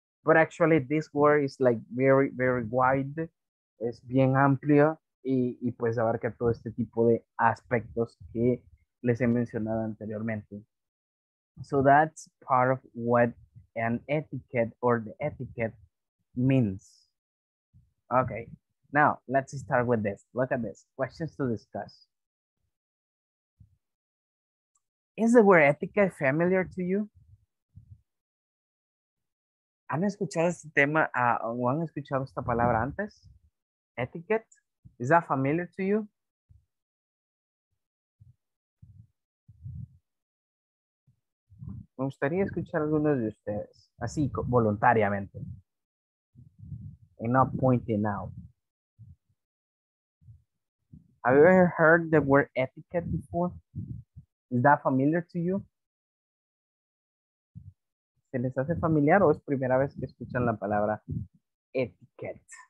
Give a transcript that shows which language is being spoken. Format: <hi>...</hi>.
<en>But actually, this word is like very, very wide.</en> <es>Es bien amplio y pues abarca todo este tipo de aspectos que les he mencionado anteriormente.</es> <en>So that's part of what an etiquette or the etiquette means. Okay, now let's start with this. Look at this. Questions to discuss. Is the word etiquette familiar to you?</en> <es>¿Han escuchado este tema o han escuchado esta palabra antes?</es> <en>Etiquette, is that familiar to you?</en> <es>Me gustaría escuchar algunos de ustedes, así voluntariamente.</es> <en>And not pointing out. Have you ever heard the word etiquette before? Is that familiar to you?</en> <es>¿Se les hace familiar o es primera vez que escuchan la palabra etiquette?</es>